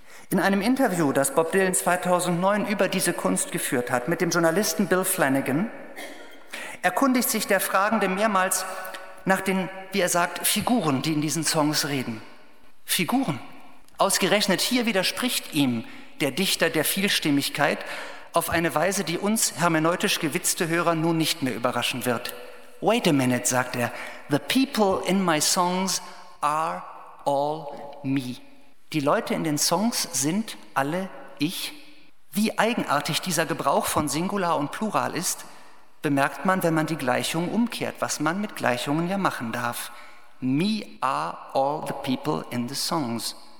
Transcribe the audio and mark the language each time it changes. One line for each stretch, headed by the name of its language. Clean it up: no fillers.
German: In einem Interview, das Bob Dylan 2009 über diese Kunst geführt hat, mit dem Journalisten Bill Flanagan, erkundigt sich der Fragende mehrmals nach den, wie er sagt, Figuren, die in diesen Songs reden. Figuren? Ausgerechnet hier widerspricht ihm der Dichter der Vielstimmigkeit auf eine Weise, die uns hermeneutisch gewitzte Hörer nun nicht mehr überraschen wird.
English: Wait a minute,
German: sagt er.
English: The people in my songs are all me.
German: Die Leute in den Songs sind alle ich. Wie eigenartig dieser Gebrauch von Singular und Plural ist, bemerkt man, wenn man die Gleichung umkehrt, was man mit Gleichungen ja machen darf.
English: Me are all the people in the songs.